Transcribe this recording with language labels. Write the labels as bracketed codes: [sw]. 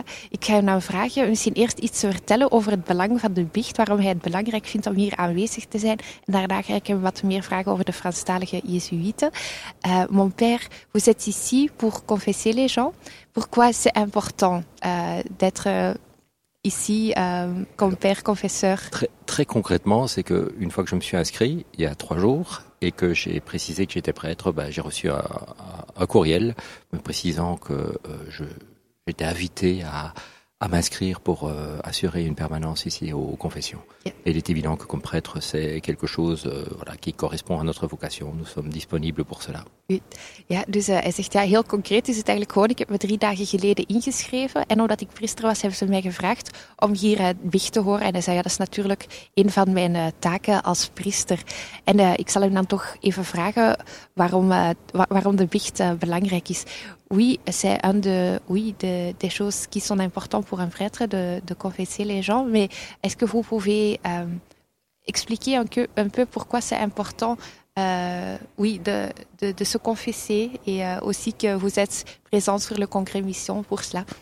[nl] Ik ga je nou vragen misschien eerst iets te vertellen over het belang van de biecht, waarom hij het belangrijk vindt om hier aanwezig te zijn. En daarna ga ik hem wat meer vragen over de Franstalige jezuïeten. [fr] Mon père, vous êtes ici pour confesser les gens. Pourquoi c'est important d'être ici comme père confesseur? Très concrètement, c'est qu'une fois que je me suis inscrit, il y a 3 jours, et que j'ai précisé que j'étais prêtre, j'ai reçu un courriel me précisant que j'étais invité à m'inscrire pour assurer une permanence ici aux confessions. Yeah. Et il est évident que comme prêtre, c'est quelque chose qui correspond à notre vocation. Nous sommes disponibles pour cela. [nl] Ja, dus hij zegt, ja, heel concreet is het eigenlijk gewoon, ik heb me 3 dagen geleden ingeschreven en omdat ik priester was, hebben ze mij gevraagd om hier biecht te horen. En hij zei, ja, dat is natuurlijk een van mijn taken als priester. En ik zal hem dan toch even vragen waarom de biecht belangrijk is. [fr] Oui, c'est un de choses qui sont importantes pour un prêtre, de confesser les gens, mais est-ce que vous pouvez expliquer un peu pourquoi c'est important de se confesser et aussi que vous êtes présent sur le congrès mission pour cela.